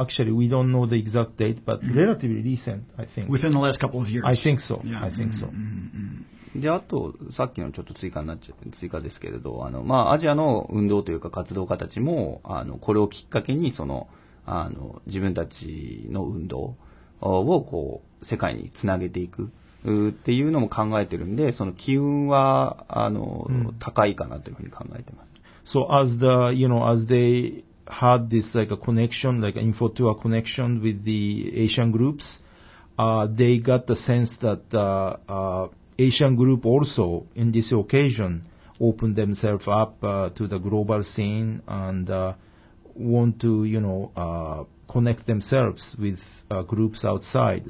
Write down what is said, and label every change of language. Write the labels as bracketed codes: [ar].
[en] Actually, we don't know the exact date, but relatively recent, I think. Within the last couple of years? I think so. Yeah. I think so. Mm-hmm. [ja] で、あと、さっきのちょっと追加ですけれど、アジアの運動というか活動家たちも、これをきっかけに、自分たちの運動を、こう、世界につなげていくっていうのも考えてるんで、その機運は、高いかなというふうに考えてます。 [en] So, as the, you know, as they had this, like, a connection, like, an info tour connection with the Asian groups, they got the sense that, Asian group also, in this occasion, opened themselves up to the global scene and want to, you know, connect themselves with groups outside.